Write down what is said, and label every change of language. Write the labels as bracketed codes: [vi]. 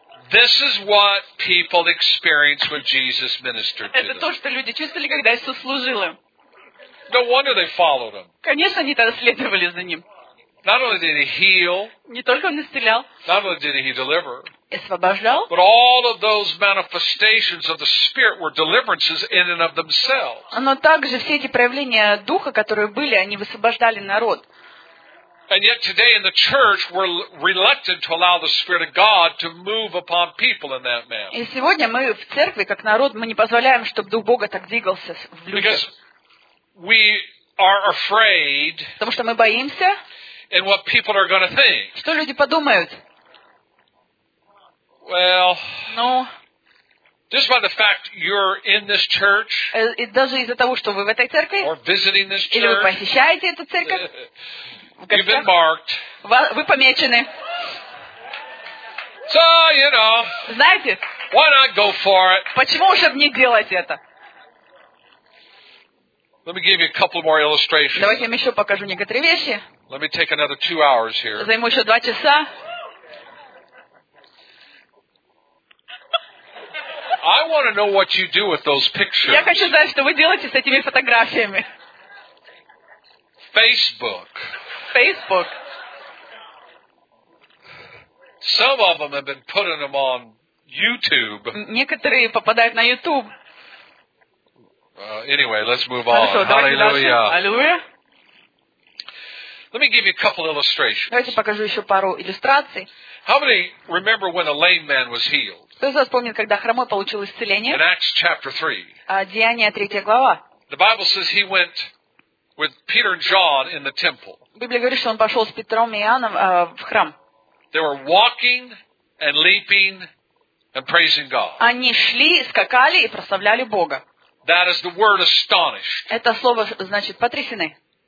[en] This is what people experienced when Jesus ministered to them. [ru] Это то, что люди чувствовали, когда Иисус служил им. [en] No wonder they followed him. [ru] Конечно, они тогда следовали за ним. [en] Not only did he heal. [ru] Не только он исцелял. [en] Not only did he deliver. [ru] Освобождал. [en] But all of those manifestations of the Spirit were deliverances in and of themselves. [ru] Но также все эти проявления духа, которые были, они высвобождали народ. [en] And yet today in the church we're reluctant to allow the Spirit of God to move upon people in that manner. [ru] И сегодня мы в церкви как народ мы не позволяем, чтобы дух Бога так двигался в людях. [en] Because we are afraid. [ru] Потому что мы боимся. [en] And what people are going to think? [ru] Что люди подумают? [en] Well. [ru] Ну. [en] Just by the fact you're in this church. [ru] И даже из-за того, что вы в этой церкви. [en] Or visiting this church. [ru] Или вы посещаете эту церковь. [en] You've been marked. [ru] Вы помечены. [en] So, you know. [ru] Знаете? [en] Why not go for it? [ru] Почему же не делать это? [en] Let me give you a couple more illustrations. [ru] Давайте я вам еще покажу некоторые вещи. [en] Let me take another 2 hours here. [ru] Займу еще 2 часа. [en] I want to know what you do with those pictures. [ru] Я хочу знать, что вы делаете с этими фотографиями. [en] Facebook. [ru] Facebook. [en] Some of them have been putting them on YouTube. [ru] Некоторые попадают на YouTube. [en] Anyway, let's move on. Hallelujah. Let me give you a couple illustrations. [ru] Давайте покажу еще пару иллюстраций. [en] How many remember when a lame man was healed? [ru] Кто из вас помнит, когда хромой получил исцеление? [en] In Acts chapter 3. [ru] Деяния 3 глава. [en] The Bible says he went with Peter and John in the temple. [ru] Библия говорит, что он пошел с Петром и Иоанном в храм. [en] They were walking and leaping and praising God. [ru] Они шли, скакали и прославляли Бога. [en] That is the word astonished. [ru] Это слово значит потрясены.